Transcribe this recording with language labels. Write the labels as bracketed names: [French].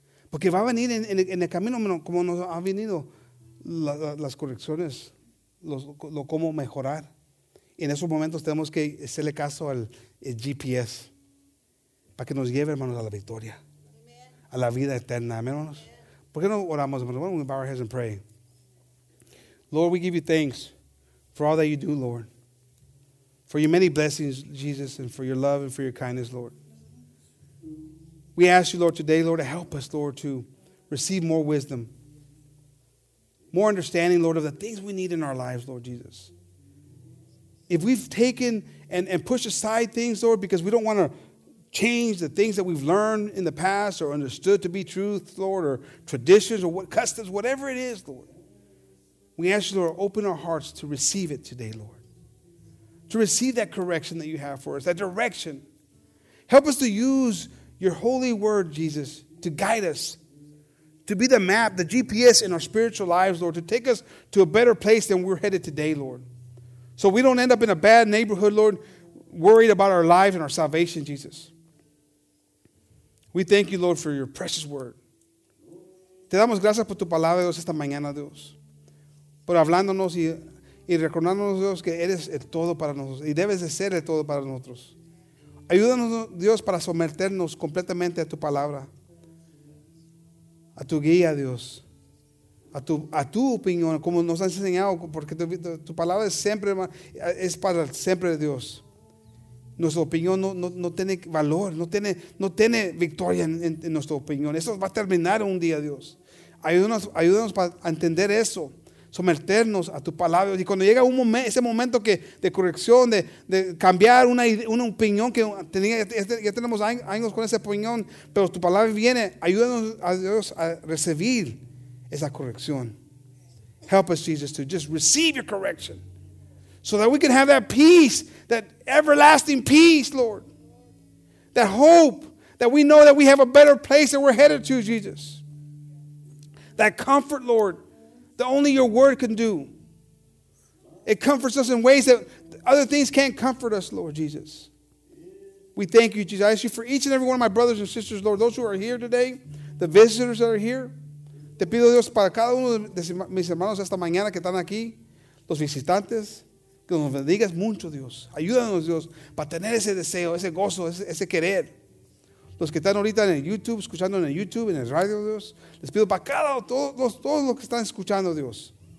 [Spanish] Porque va a venir en el camino, como nos han venido las correcciones, cómo mejorar. En esos momentos tenemos que hacerle caso al GPS para que nos lleve, hermanos, a la victoria, a la vida eterna. Amén, hermanos. ¿Por qué no oramos, hermanos? [English] Why don't we bow our heads and pray? Lord, we give you thanks for all that you do, Lord. For your many blessings, Jesus, and for your love and for your kindness, Lord. We ask you, Lord, today, Lord, to help us, Lord, to receive more wisdom, more understanding, Lord, of the things we need in our lives, Lord Jesus. If we've taken and pushed aside things, Lord, because we don't want to change the things that we've learned in the past or understood to be truth, Lord, or traditions or what customs, whatever it is, Lord, we ask you, Lord, open our hearts to receive it today, Lord, to receive that correction that you have for us, that direction. Help us to use your holy word, Jesus, to guide us, to be the map, the GPS in our spiritual lives, Lord, to take us to a better place than we're headed today, Lord. So we don't end up in a bad neighborhood, Lord, worried about our lives and our salvation, Jesus. We thank you, Lord, for your precious word. [Spanish] Te damos gracias por tu palabra, Dios, esta mañana, Dios. Por hablándonos y recordándonos, Dios, que eres el todo para nosotros y debes de ser el todo para nosotros. Ayúdanos, Dios, para someternos completamente a tu palabra, a tu guía, Dios, a tu opinión, como nos has enseñado, porque tu palabra es siempre, es para siempre, Dios. Nuestra opinión no tiene valor, no tiene victoria en nuestra opinión. Eso va a terminar un día, Dios. Ayúdanos para entender eso, someternos a tu palabra. Y cuando llega un momento, ese momento que de corrección, de cambiar una opinión que tenía, ya tenemos años con esa opinión, pero tu palabra viene, ayúdanos a Dios a recibir esa corrección. [English] Help us, Jesus, to just receive your correction so that we can have that peace, that everlasting peace, Lord, that hope that we know that we have a better place that we're headed to, Jesus, that comfort, Lord, that only your word can do. It comforts us in ways that other things can't comfort us, Lord Jesus. We thank you, Jesus. I ask you for each and every one of my brothers and sisters, Lord, those who are here today, the visitors that are here. [Spanish] Te pido, Dios, para cada uno de mis hermanos esta mañana que están aquí, los visitantes, que nos bendigas mucho, Dios. Ayúdanos, Dios, para tener ese deseo, ese gozo, ese querer. Los que están ahorita en el YouTube, escuchando en el YouTube, en el radio, Dios, les pido para cada uno, todos los que están escuchando, Dios.